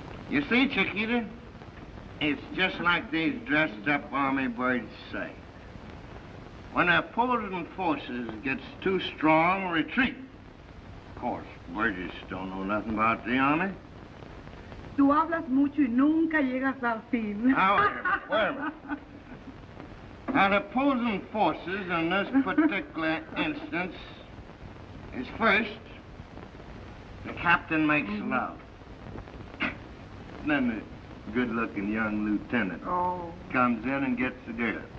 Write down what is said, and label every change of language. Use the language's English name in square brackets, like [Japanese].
[English] You see, Chiquita? It's just like these dressed-up army birds say. When opposing forces gets too strong, retreat. Of course, Burgess don't know nothing about the army. [Spanish] Tú hablas mucho y nunca llegas al fin. [English] However, an opposing forces in this particular instance is first, the captain makes love. Then the good-looking young lieutenant comes in and gets the girl.